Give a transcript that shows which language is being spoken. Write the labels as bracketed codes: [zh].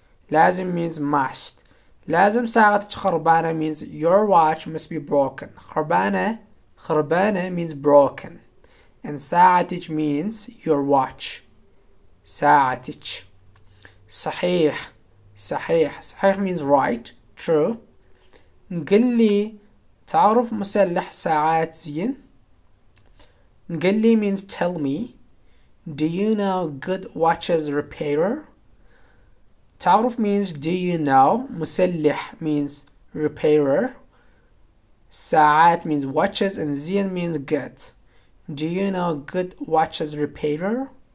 [en] لازم means must. [ar] لازم ساعتك خربانة [en] means your watch must be broken. [ar] خربانة. [en] خربانة means broken. And ساعتك means your watch. [ar] ساعتك. صحيح. صحيح. [en] صحيح means right, true. [ar] قل لي تعرف مسلح ساعات زين؟ قل لي [en] means tell me. Do you know good watches repairer? تعرف means do you know. مسلح means repairer. ساعات means watches and زين means good. Do you know good watches repairer?